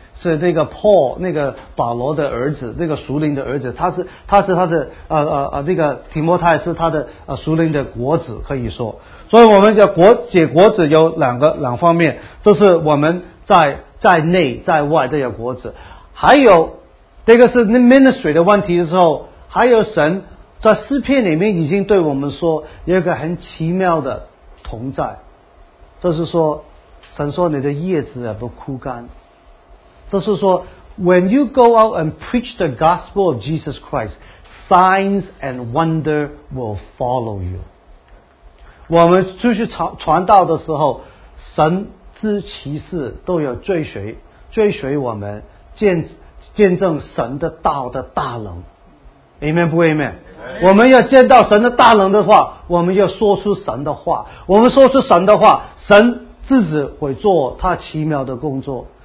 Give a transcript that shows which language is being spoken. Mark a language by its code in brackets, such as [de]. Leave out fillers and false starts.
[zh] 是那个 Paul 那个保罗的儿子，那个属灵的儿子，他是他的那个提摩太是他的属灵的果子，可以说，所以我们叫果子有两方面，就是我们在内在外都有果子，还有这个是 ministry 的问题的时候，还有神在诗篇里面已经对我们说有一个很奇妙的同在，就是说神说你的叶子也不枯干。就是说 [en] when you go out and preach the gospel of Jesus Christ, signs and wonder will follow you. [zh] 我们出去传道的时候，神之奇事都要追随我们，见证神的道的大能。 Amen 不 Amen？ Amen。我们要见到神的大能的话，我们要说出神的话，我们说出神的话，神自己会做他奇妙的工作。